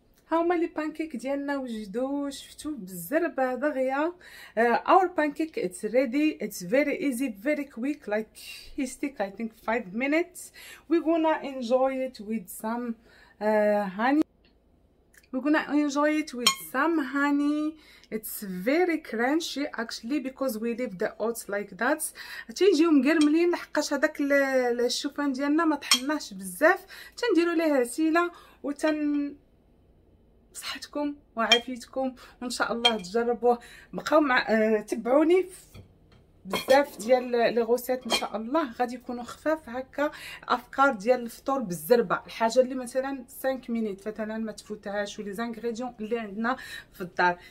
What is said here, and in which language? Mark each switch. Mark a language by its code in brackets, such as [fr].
[ar] ها هما لي بانكيك ديالنا وجدوا شفتوا بالزربه هذا غيا [en] Our pancake it's ready it's very easy very quick like he stick I think 5 minutes we gonna enjoy it with some honey. We're gonna enjoy it with some honey. It's very crunchy actually because we leave the oats like that. [ar] تيجيو مقرملين لحقاش هذاك الشوفان ديالنا ما طحناهش بزاف تنديروا ليه عسيله وتن بصحتكم وعافيتكم وان شاء الله تجربوه. بقاو مع تبعوني بزاف ديال لي غوسيت ان شاء الله غادي يكونوا خفاف هكا افكار ديال الفطور بالزربه الحاجه اللي مثلا 5 مينيت مثلا ما تفوتهاش ولي زانغريديون اللي عندنا في الدار.